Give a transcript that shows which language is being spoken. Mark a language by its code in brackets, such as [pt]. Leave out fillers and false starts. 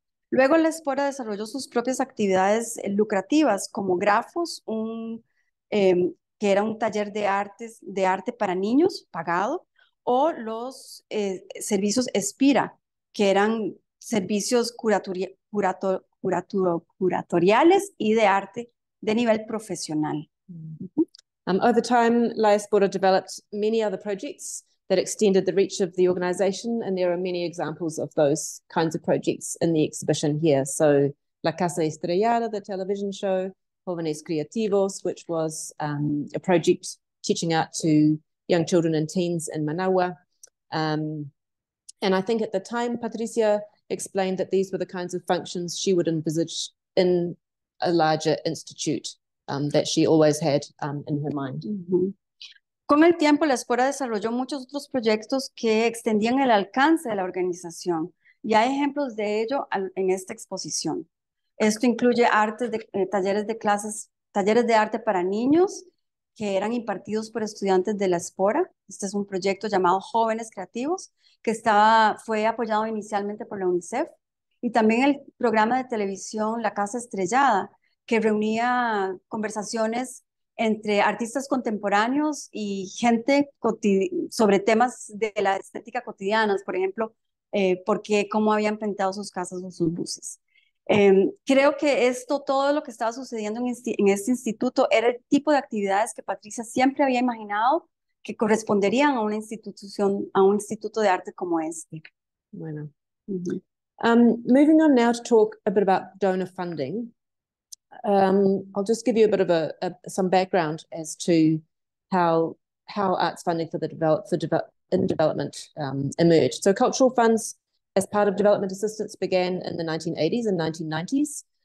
[es] Luego la Espora desarrolló sus propias actividades lucrativas como Grafos, que era un taller de arte para niños pagado, o los servicios Espira, que eran servicios curatoriales y de arte de nivel profesional. [en] Over time, La Espora developed many other projects that extended the reach of the organization, and there are many examples of those kinds of projects in the exhibition here. So La Casa Estrellada, the television show, Jóvenes Creativos, which was a project teaching art to young children and teens in Managua. And I think at the time, Patricia explained that these were the kinds of functions she would envisage in a larger institute that she always had in her mind. [es] Con el tiempo, la Espora desarrolló muchos otros proyectos que extendían el alcance de la organización. Y hay ejemplos de ello en esta exposición. Esto incluye talleres de arte para niños que eran impartidos por estudiantes de la Espora. Este es un proyecto llamado Jóvenes Creativos, que fue apoyado inicialmente por la UNICEF, y también el programa de televisión La Casa Estrellada, que reunía conversaciones entre artistas contemporáneos y gente sobre temas de la estética cotidiana, por ejemplo, cómo habían pintado sus casas o sus buses. Creo que todo lo que estaba sucediendo en este instituto era el tipo de actividades que Patricia siempre había imaginado que corresponderían a una institución, a un instituto de arte como este. Bueno. Mm-hmm. [en] Moving on now to talk a bit about donor funding. I'll just give you a bit of some background as to how arts funding for development emerged. So cultural funds, as part of development assistance, began in the 1980s and 1990s.